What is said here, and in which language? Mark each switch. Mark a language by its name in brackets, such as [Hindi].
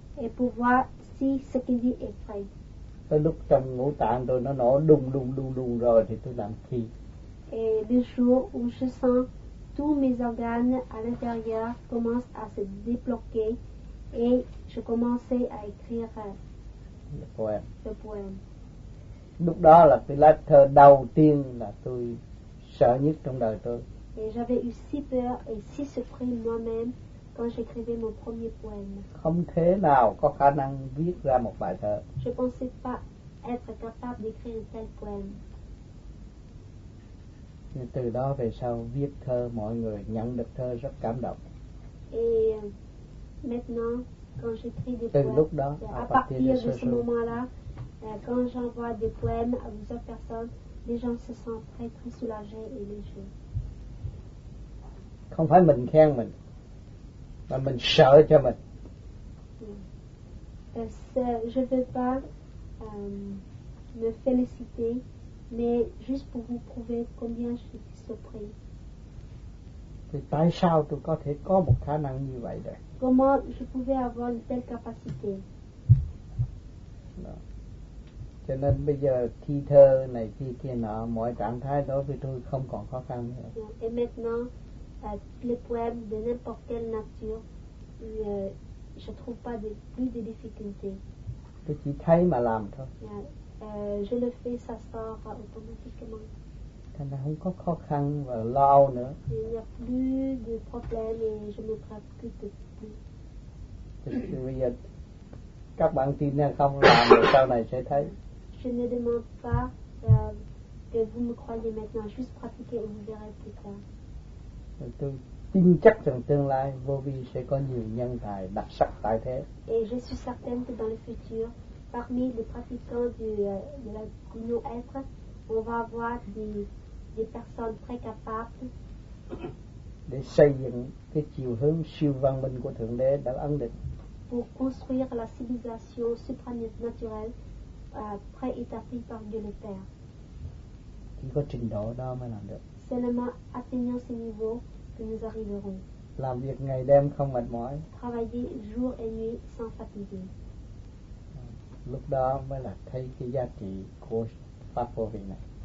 [French] Et pour voir si ce qu'il dit est vrai. [Vietnamese] Tới lúc trong ngũ tạng tôi nó nổ đùng đùng đùng đùng rồi thì tôi làm khi. [French] Et le jour où je sens tous mes organes à l'intérieur commencent à se débloquer et je commençais à écrire le poème. [Vietnamese] Lúc đó là cái lá thơ đầu tiên là tôi sợ nhất trong đời tôi. [French] Et j'avais eu si peur et si surpris moi-même quand j'écrivais mon premier poème. [Vietnamese] Không thể nào có khả năng viết ra một bài thơ. [French] Je pensais pas être capable d'écrire un tel poème. [Vietnamese] Từ đó về sau viết thơ mọi người nhận được thơ rất cảm động. [French] Maintenant, quand j'écris des [Vietnamese] poèmes, lúc đó, [French] à partir de ce moment-là, quand j'envoie des poèmes à plusieurs personnes, les gens se sentent très très soulagés et légers. [Vietnamese] Không phải mình khen mình, mà mình sợ cho mình. [French] Je ne veux pas me féliciter. Mais juste pour vous prouver combien je suis surpris. [Vietnamese] Thì tại sao tôi có thể có một khả năng như vậy đây? [French] Comment je pouvais avoir une telle capacité? [Vietnamese] Đó. Cho nên bây giờ thi thơ này thi kia nọ, mọi trạng thái đối với tôi không còn khó khăn nữa. [French] Et maintenant, les poèmes de n'importe quelle nature, je trouve pas de plus de difficultés. [Vietnamese] Tôi chỉ thấy mà làm thôi. [French] Je le fais, ça sort automatiquement. [Vietnamese] Thế là không có khó khăn và lâu nữa. [French] Il n'y a plus de problème et je me pratique plus. [Vietnamese] Thế thì bây giờ các bạn tin hay không làm rồi sau này sẽ thấy. [French] Je ne demande pas que vous me croyez maintenant, juste pratiquer et vous verrez plus tard. [Vietnamese] Tôi tin chắc rằng tương lai Vô Vi sẽ có nhiều nhân tài đặc sắc tại thế. [French] Et je suis certaine que dans le futur, parmi les pratiquants de la Kuno Être, on va avoir des personnes très capables [Vietnamese] de xây dựng cái chiều hướng siêu văn minh của Thượng Đế đã ấn định. [French] Pour construire la civilisation supranaturelle préétablie par Dieu le Père. [Vietnamese] Chỉ có trình độ đó mới làm được. [French] Seulement atteignant ce niveau que nous arriverons. [Vietnamese] Làm việc ngày đêm không mệt mỏi. [French] Travailler jour et nuit sans fatiguer. [Vietnamese] Lúc đó mới là thấy cái giá trị của pháp vô vi này.